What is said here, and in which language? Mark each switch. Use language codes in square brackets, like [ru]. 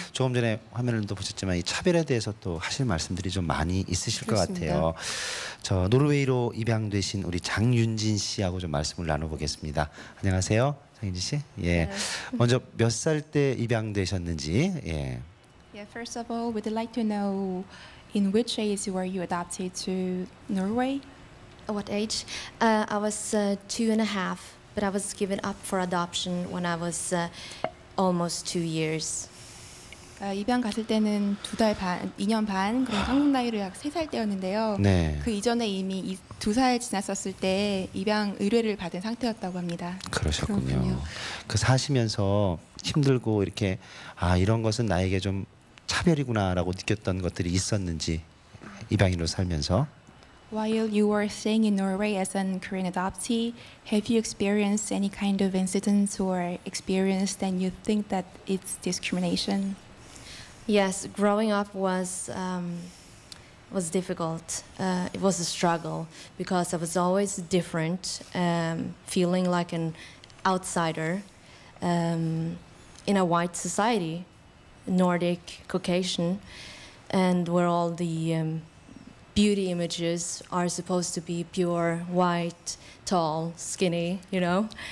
[ko] 조금 전에 화면을 또 보셨지만 이 차별에 대해서 또 하실 말씀들이 좀 많이 있으실 그렇습니다. 것 같아요. 저 노르웨이로 입양되신 우리 장윤진 씨하고 좀 말씀을 나눠보겠습니다. 안녕하세요, 장윤진 씨. 예, 네. 먼저 몇 살 때 입양되셨는지. 예. [en] Yeah, first of all, we'd like to know in which age were you adopted to Norway? What age? I was 2.5. But I was given up for adoption when I was almost 2 years. [ko] 입양 갔을 때는 두 달 반, 2년 반 그런 한국 나이로 약 세 살 때였는데요. 네. 그 이전에 이미 두 살 지났었을 때 입양 의뢰를 받은 상태였다고 합니다. 그러셨군요. 그 사시면서 힘들고 이렇게 아 이런 것은 나에게 좀 차별이구나라고 느꼈던 것들이 있었는지 입양인으로 살면서. [en] While you were staying in Norway as a Korean adoptee, have you experienced any kind of incidents or experience that you think that it's discrimination? Yes, growing up was difficult. It was a struggle because I was always different, feeling like an outsider in a white society, Nordic, Caucasian, and where all the beauty images are supposed to be pure, white, tall, skinny, you know?